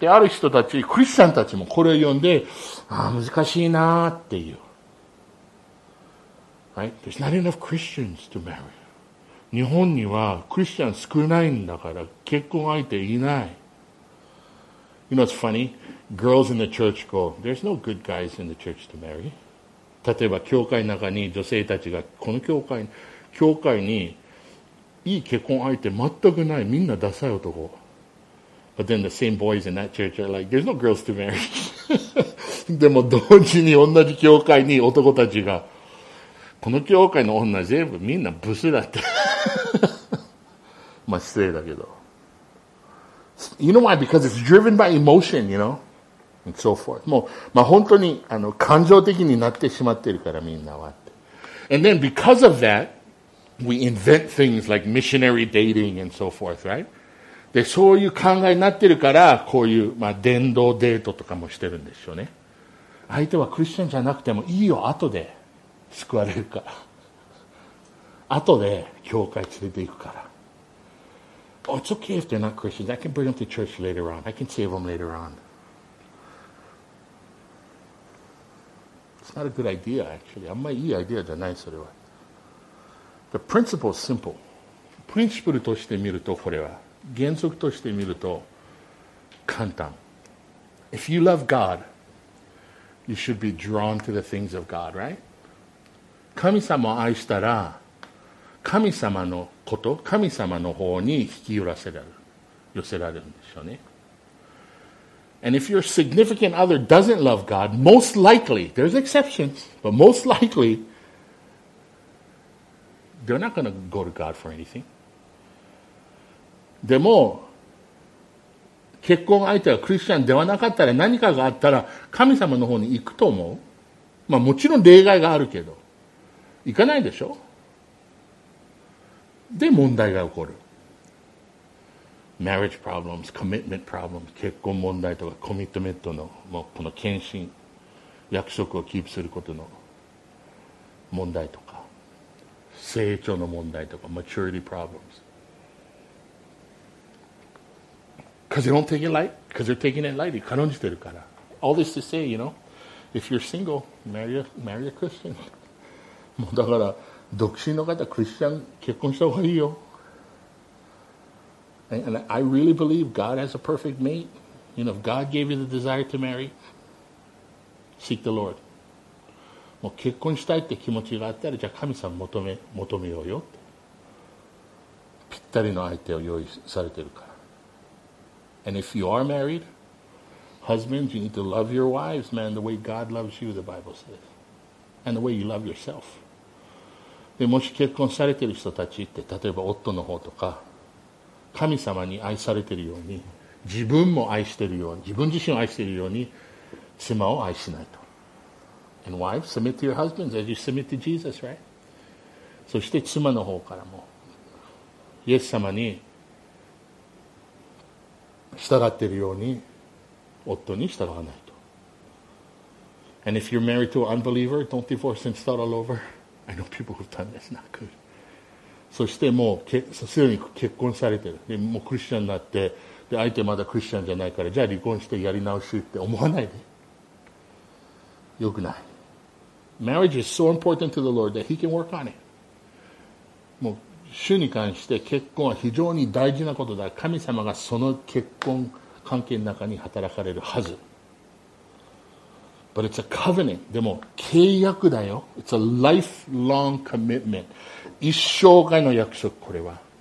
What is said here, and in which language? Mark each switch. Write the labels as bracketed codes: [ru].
[ja] である人たち、クリスチャンたちもこれを読んで、ああ、難しいなっていう。 [en] Right? There's not enough Christians to marry. [ja] 日本にはクリスチャン少ないんだから結婚相手いない。 [en] You know, it's funny. Girls in the church go, there's no good guys in the church to marry. [ja] 例えば、教会の中に女性たちが、この教会に、いい結婚相手全くない。みんなダサい男。 [en] But then the same boys in that church are like, there's no girls to marry. [ja] でも同時に同じ教会に男たちが、この教会の女全部みんなブスだって。まあ失礼だけど。 [en] You know why? Because it's driven by emotion, you know? And so forth. [ja] もう、まあ本当に感情的になってしまってるからみんなはって。 [en] And then because of that,We invent things like missionary dating and so forth, right? [ja] で、そういう考えになってるから、こういう、まあ、伝道デートとかもしてるんでしょうね。相手はクリスチャンじゃなくてもいいよ、後で救われるから。後で教会連れて行くから。 [en] Oh, it's okay if they're not Christians. I can bring them to church later on. I can save them later on. It's not a good idea, actually. [ja] あんまりいいアイデアじゃない、それは。 [en] The principle is simple. [ja] プリンシプルとして見ると、これは。原則として見ると、簡単。 [en] If you love God, you should be drawn to the things of God, right? [ja] 神様を愛したら、神様のこと、神様の方に引き寄せられるんでしょうね。 [en] And if your significant other doesn't love God, most likely, there's exceptions, but most likely,They're not going to go to God for anything. [ja] でも、結婚相手がクリスチャンではなかったら何かがあったら神様の方に行くと思う？まあもちろん例外があるけど行かないでしょ。で問題が起こる。 [en] Marriage problems, commitment problems, [ja] 結婚問題とかコミットメントのもうこの献身約束をキープすることの問題とか成長の問題とか [en] maturity problems。 Because you don't take it light, because you're taking it lightly. [ja] 軽んじてるから。 [en] All this to say, you know, if you're single, marry a Christian. [ja] もうだから、独身の方、クリスチャン、結婚した方がいいよ。 [en] And I really believe God has a perfect mate. You know, if God gave you the desire to marry, seek the Lord. [ja] もう結婚したいって気持ちがあったら、じゃあ神様求めようよって。ぴったりの相手を用意されてるから。 [en] And if you are married, husbands, you need to love your wives, man, the way God loves you, the Bible says. And the way you love yourself. [ja] で、もし結婚されてる人たちって、例えば夫の方とか、神様に愛されてるように、自分も愛してるように、自分自身を愛してるように、妻を愛しないと。 [en] And wives, submit to your husbands as you submit to Jesus, right? [ja] そして妻の方からも、イエス様に、従っているように夫に従わないと。 [en] And if you're married to an unbeliever, don't divorce and start all over. I know people who've done this, not good. [ja] そしてもうすでに結婚されてる。でもうクリスチャンになって、で相手まだクリスチャンじゃないから、じゃあ離婚してやり直しって思わないで。よくない。 [en] Marriage is so important to the Lord that He can work on it. [ja] もう主に関して結婚は非常に大事なことだ。神様がその結婚関係の中に働かれるはず。 [en] But it's a covenant. [ja] でも契約だよ。 [en] It's a lifelong commitment. [ja] 一生涯の約束これは。